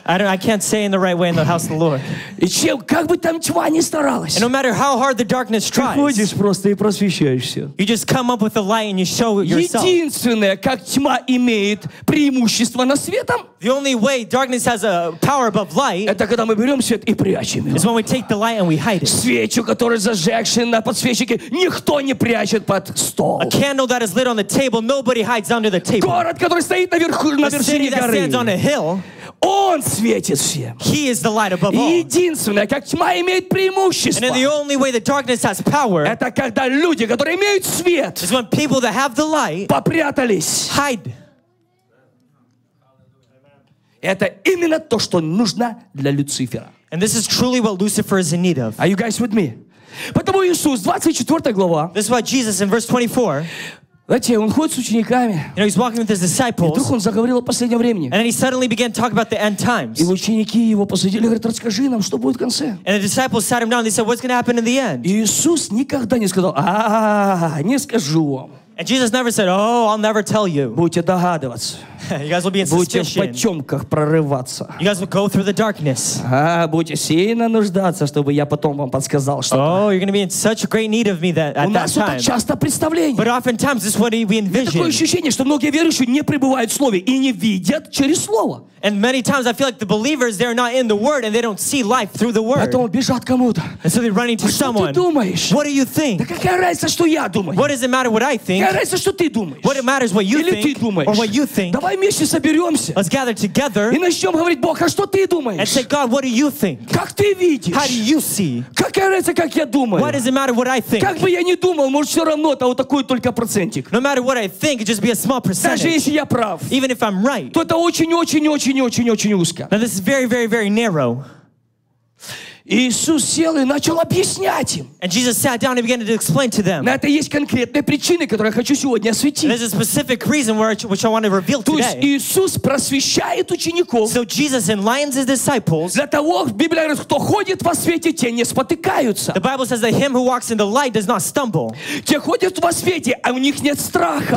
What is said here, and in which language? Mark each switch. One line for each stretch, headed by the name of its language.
English: I can't say in the right way in the house of the Lord.
Russian: И чем, как бы там тьма ни старалась.
English: And no matter how hard the darkness tries.
Russian: Приходишь просто и просвещаешь все.
English: You just come up with the light and you show yourself.
Russian: Единственное, как тьма имеет преимущество над светом.
English: The only way darkness has a power above light.
Russian: Это когда мы берем свет и прячем его.
English: Is when we take the light and we hide it.
Russian: Свечу, которая зажжена на подсвечнике, никто не прячет под стол.
English: A candle that is lit on the table, nobody hides under the table.
Russian: Который стоит на вершине горы.
English: A city that stands on a hill.
Russian: Он светит всем.
English: He is the light above all.
Russian: Единственное, как тьма имеет преимущество.
English: And the only way that darkness has power.
Russian: Это когда люди, которые имеют свет.
English: Is when people that have the light.
Russian: Попрятались.
English: Hide.
Russian: Это именно то, что нужно для Люцифера.
English: And this is truly what Lucifer is in need of. Are you guys with me?
Russian: Потому Иисус, 24 глава.
English: This is what Jesus in verse 24.
Russian: Знаете, он ходит с учениками.
English: You know, he's walking with his disciples.
Russian: И вдруг он заговорил о последнем времени.
English: And then he suddenly began to talk about the end times.
Russian: И ученики его посадили, говорят, расскажи нам, что будет в конце.
English: And the disciples sat him down. They said, what's going to happen in the end?
Russian: Иисус никогда не сказал, не скажу вам.
English: And Jesus never said, oh, I'll never tell you.
Russian: Будете догадываться.
English: You guys will be in
Russian: будете
English: suspicion.
Russian: Будете в потемках прорываться.
English: You guys will go through the darkness.
Russian: Будете сильно нуждаться, чтобы я потом вам подсказал что-то.
English: Oh, you're going to be in such great need of me that, at that time.
Russian: У нас это часто представление.
English: But oftentimes, this is what we envision.
Russian: Такое ощущение, что многие верующие не пребывают в слове и не видят через слово.
English: And many times, I feel like the believers, they're not in the word and they don't see life through the word.
Russian: Поэтому бежат кому-то.
English: And so they're running to someone.
Russian: Что ты думаешь?
English: What do you think?
Russian: Да какая разница, что я думаю?
English: What does it matter what I think?
Russian: Какая разница, что ты думаешь?
English: What matters what you
Russian: или
English: think?
Russian: Или ты думаешь?
English: Or what you think?
Russian: Давай вместе соберемся.
English: Let's gather together.
Russian: И начнем говорить, Бог, а что ты думаешь?
English: And say, God, what do you think?
Russian: Как ты видишь?
English: How do you see?
Russian: Какая разница, как я думаю?
English: What does it matter what I think?
Russian: Как бы я ни думал, может все равно это вот такой только процентик.
English: No matter what I think, it just be a small percentage.
Russian: Даже если я прав.
English: Even if I'm right.
Russian: То это очень-очень-очень-очень-очень узко.
English: Now this is very, very, very narrow.
Russian: Иисус сел и начал объяснять им.
English: And Jesus sat down and began to explain to them.
Russian: Но это есть конкретные причины, которые я хочу сегодня осветить.
English: There's a specific reason which I want to reveal today.
Russian: То есть Иисус просвещает учеников.
English: So Jesus enlightens his disciples.
Russian: Для того, Библия говорит, кто ходит во свете, те не спотыкаются.
English: The Bible says that him who walks in the light does not stumble.
Russian: Те ходят во свете, а у них нет страха.